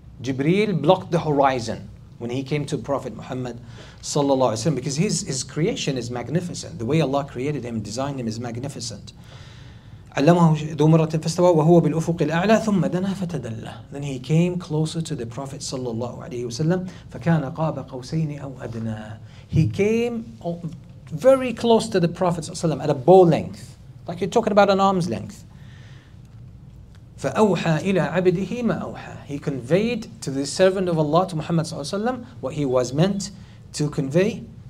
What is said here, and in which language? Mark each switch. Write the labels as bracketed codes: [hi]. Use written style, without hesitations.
[en] Jibreel blocked the horizon when he came to Prophet Muhammad sallallahu alaihi wasallam, because his creation is magnificent. The way Allah created him, designed him, is magnificent. [ar] علمه ذو مرة فاستوى وهو بالأفق الأعلى ثم دنا فتدلى. [en] Then he came closer to the Prophet [ar] صلى الله عليه وسلم فكان قاب قوسين أو أدنى. [en] He came very close to the Prophet صلى الله عليه وسلم at a bow length, like you're talking about an arm's length. [ar] فأوحى إلى عبده ما أوحى. [en] He conveyed to the servant of Allah, to Muhammad صلى الله عليه وسلم, what he was meant to convey.